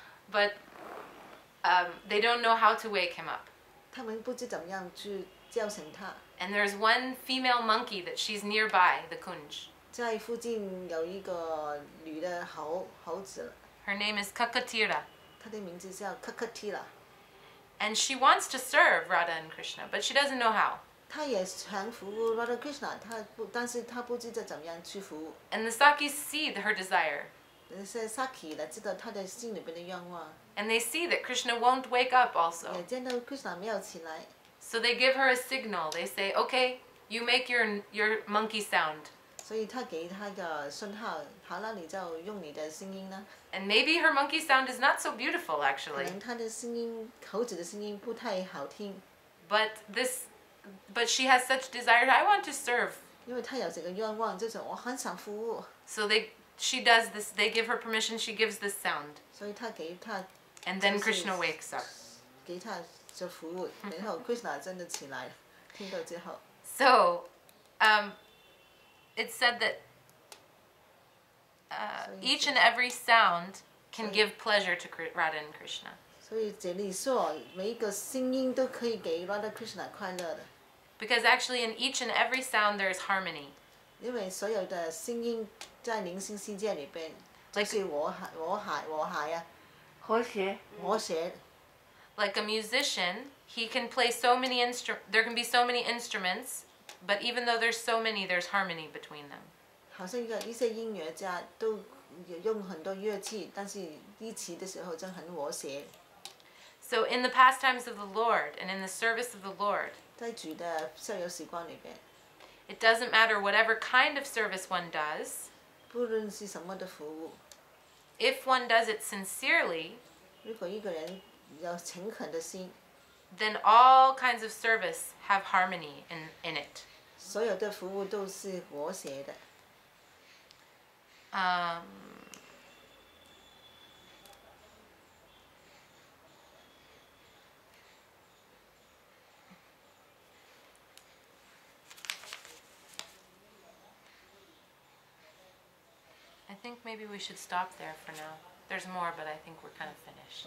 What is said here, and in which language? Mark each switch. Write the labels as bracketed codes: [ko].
[en] But they don't know how to wake him up. [zh] 他们不知怎么样去叫醒他。 [en] And there's one female monkey that she's nearby, the Kunj. [zh] 在附近有一个女的猴子。 [en] Her name is Kakatira. [zh] 她的名字叫 Kakatira。 [en] And she wants to serve Radha and Krishna, but she doesn't know how. [zh] 她也想服务 Radha and Krishna, 但是她不知道怎么样去服务。 [en] And the Sakis see her desire. [zh] 那些 Saki 知道她的心里边的愿望。 [en] And they see that Krishna won't wake up also. [zh] 也见到 Krishna 没有起来。 [en] So they give her a signal. They say, okay, you make your monkey sound. [zh] 所以她给她个信号，好了，你就用你的声音呢。 [en] And maybe her monkey sound is not so beautiful, actually. [zh] 可能她的声音，猴子的声音不太好听。 [en] But she has such desire. I want to serve. [zh] 因为她有这个愿望，就是我很想服务。 [en] So she does this. They give her permission. She gives this sound. [zh] 所以她给她。 [en] And then Krishna wakes up. [zh] 给她就服务，然后 Krishna 真的起来，听到之后。 [en] So, it's said that. Each and every sound can give pleasure to Radha and Krishna. So here it says, [zh] 每一个声音都可以给 Radha Krishna 快乐的。 [en] Because actually, in each and every sound, there is harmony. [zh] 因为所有的声音在灵性世界里边，就是和谐啊，和谐。 [en] Like a musician, he can play so many instruments. There can be so many instruments, but even though there's so many, there's harmony between them. [zh] 好像一些音乐家都用很多乐器，但是一起的时候就很和谐。 [en] So in the pastimes of the Lord and in the service of the Lord， [zh] 在主的逍遥时光里边 [en] ，It doesn't matter whatever kind of service one does， [zh] 不论是什么的服务 [en] ，If one does it sincerely， [zh] 如果一个人有诚恳的心 [en] ，Then all kinds of service have harmony in it， [zh] 所有的服务都是和谐的。 [en] I think maybe we should stop there for now. There's more, but I think we're kind of finished.